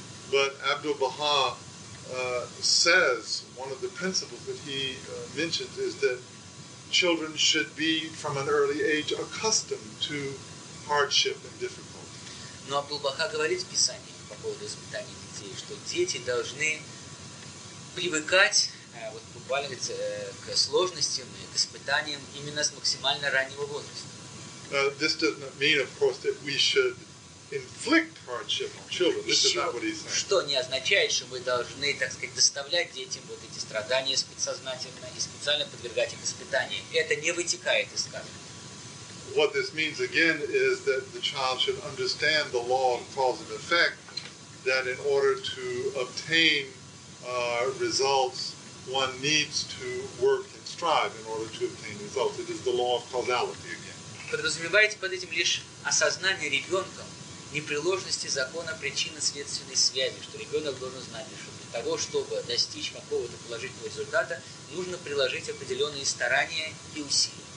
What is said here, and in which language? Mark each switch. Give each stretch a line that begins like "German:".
English: But Abdu'l-Bahá says one of the principles that he mentions is that children should be from an early age accustomed to hardship and difficulty.
Russian: Но Абдул-Баха говорит в Писании по поводу испытаний детей, что дети должны привыкать вот буквально к сложностям и к испытаниям именно с максимально раннего возраста.
English: This does not mean, of course, that we should inflict hardship on children. This is not what he's saying.
Russian: Что не означает, что мы должны, так сказать, доставлять детям вот эти страдания подсознательно и специально подвергать их испытаниям. Это не вытекает из сказки.
English: What this means again is that the child should understand the law of cause and effect, that in order to obtain results, one needs to work and strive in order to obtain results. It is the law of causality again.
Russian: Подразумевается под этим лишь осознание ребенком непреложности закона причинно-следственной связи, что ребенок должен знать, что для того, чтобы достичь какого-то положительного результата, нужно приложить определенные старания и усилия.